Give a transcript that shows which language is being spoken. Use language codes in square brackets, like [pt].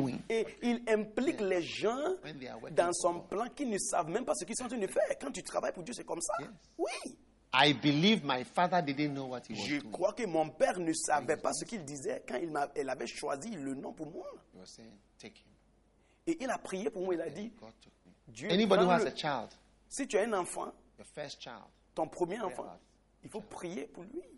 [fr] Et il implique les gens dans son plan qui ne savent même pas ce qu'ils sont en train de faire. Quand tu travailles pour Dieu, c'est comme ça. Oui. [en] I believe my father didn't know what he was [fr] Je [en] doing. [fr] Crois que mon père ne savait pas ce qu'il disait quand il avait choisi le nom pour moi. [en] He was saying, take him. [fr] Et il a prié pour moi, il a dit, Dieu [en] Anybody who has a child, [fr] si tu as un enfant, [en] your first child, [fr] ton premier enfant, il faut prier pour lui.